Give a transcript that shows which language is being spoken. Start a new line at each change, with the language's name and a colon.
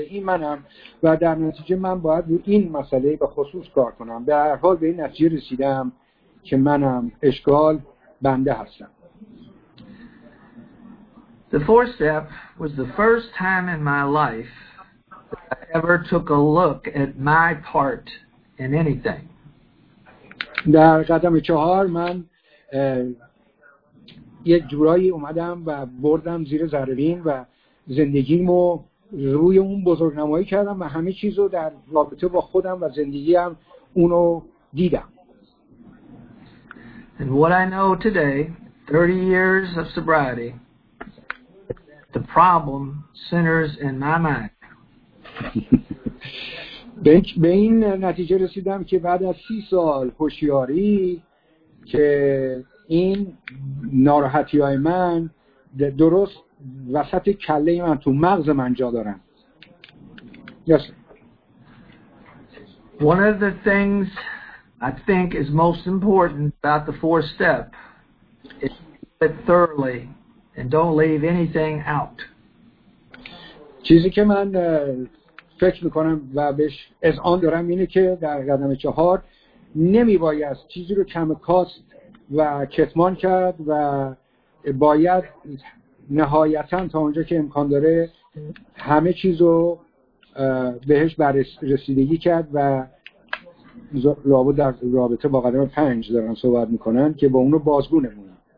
Persian: این منم و در نتیجه من باید رو این مسئله به خصوص کار کنم. به هر حال به این نتیجه رسیدم که منم اشکال بنده هستم.
English: The fourth step was the first time in my life that I ever took a look at my part in anything.
Persian: در قدم چهار من یک جورایی اومدم و بردم زیر ذره‌بین و زندگیمو روی اون بزرگنمایی کردم و همه چیزو در رابطه با خودم و زندگیم اونو دیدم.
English: And what I know today, 30 years of sobriety, the problem centers in my mind.
Persian: به این نتیجه رسیدم که بعد از 30 سال هوشیاری که این ناراحتی های من درست وسط کله من، تو مغز من جا دارن.
English: Yes. One of the things I think is most important about the fourth step is do it thoroughly and don't leave anything out.
Persian: چیزی که من فکر میکنم و بهش از آن دارم اینه که در قدم چهار نمیباید چیزی رو کم کاست و کتمان کرد و باید نهایتاً تا اونجا که امکان داره همه چیز رو بهش رسیدگی کرد و رابطه در رابطه با قدم پنج دارن صحبت میکنن که با اونو بازگو نمونن.